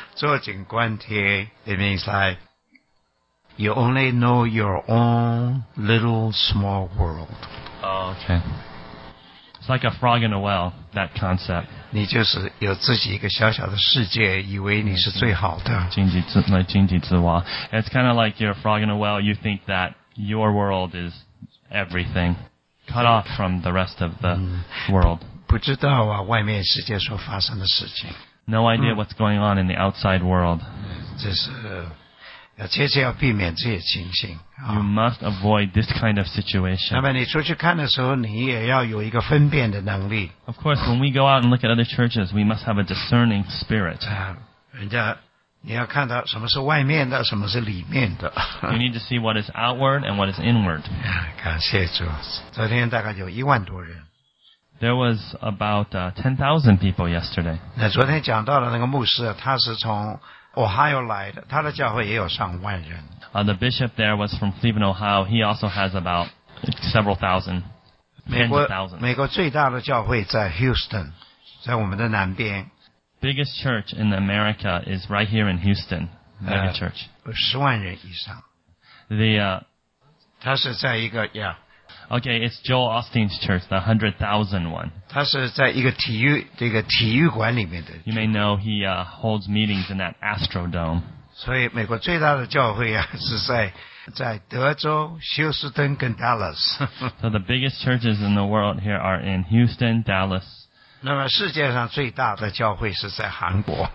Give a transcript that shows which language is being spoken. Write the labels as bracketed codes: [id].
[zh] 坐井观天 [en] it means like,You only know your own little small world. Oh, okay. It's like a frog in a well, that concept. [zh] 你就是有自己一个小小的世界，以为你是最好的。井底之蛙。 [en] It's kind of like you're a frog in a well. You think that your world is everything. Cut off from the rest of the world. [zh] 不知道啊，外面世界所发生的事情。 [en] No idea what's going on in the outside world. [zh] 这是要切切要避免这些情形。 [en] You must avoid this kind of situation. [zh] 那么你出去看的时候，你也要有一个分辨的能力。 [en] Of course, when we go out and look at other churches, we must have a discerning spirit. [zh] 人家你要看到什么是外面的，什么是里面的。 [en] You need to see what is outward and what is inward. [zh] 感谢主，昨天大概有10,000多人。 [en] There was about 10,000 people yesterday. [zh] 那昨天讲到了那个牧师，他是从 Ohio 来的，他的教会也有上万人。 [en] The bishop there was from Cleveland, Ohio. He also has about several thousand, tens of thousands. [zh] 美国最大的教会在 Houston, 在我们的南边。 [en] Biggest church in America is right here in Houston, mega church. [zh] 十万人以上。他是在一个 yeah. [en] Okay, it's Joel Osteen's church, the 100,000 one. [zh] 他是在一个体育这个体育馆里面的。 [en] You may know he holds meetings in that Astrodome. [zh] 所以美国最大的教会啊是在德州、休斯顿跟 Dallas. [en] So the biggest churches in the world here are in Houston, Dallas. [zh] 那么世界上最大的教会是在韩国。